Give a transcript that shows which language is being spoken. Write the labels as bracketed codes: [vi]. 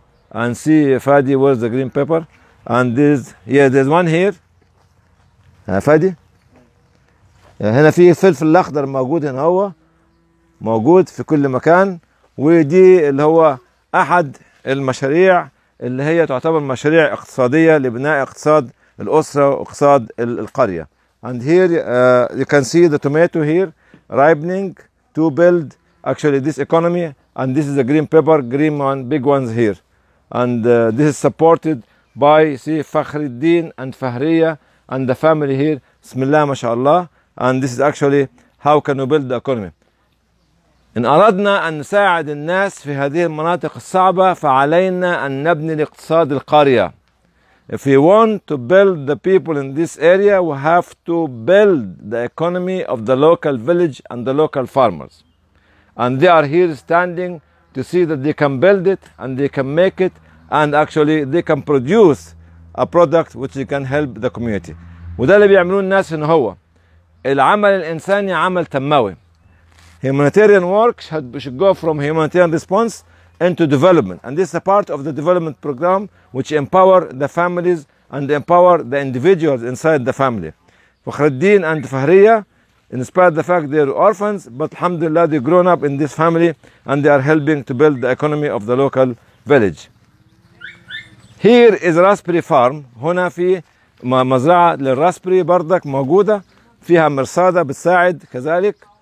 [en] And see, Fadi, where's the green pepper? And this, yeah, there's one here. Fadi. [ar] هنا في فلفل الأخضر موجود هنا هو. موجود في كل مكان. ودي اللي هو أحد المشاريع اللي هي تعتبر مشاريع اقتصادية لبناء اقتصاد الأسرة واقتصاد القرية. [en] And here you can see the tomato here ripening to build actually this economy and this is the green pepper, green one, big ones here. And this is supported by see Fakhruddin and Fahriya and the family here. [ar] بسم الله ما شاء الله. [en] And this is actually how can we build the economy. [ar] إن أردنا أن نساعد الناس في هذه المناطق الصعبة فعلينا أن نبني الاقتصاد القرية. [en] If you want to build the people in this area, we have to build the economy of the local village and the local farmers. And they are here standing to see that they can build it and they can make it and actually they can produce a product which can help the community. [ar] وده اللي بيعملوه الناس إن هو العمل الإنساني عمل تموي. [en] Humanitarian work should go from humanitarian response into development. And this is a part of the development program which empower the families and empower the individuals inside the family. Fakhruddin and Fahriya, in spite of the fact they are orphans, but alhamdulillah they've grown up in this family and they are helping to build the economy of the local village. Here is a raspberry farm. [ar] هنا في مزرعة للراسبري برضك موجودة. فيها مرصادة بتساعد كذلك.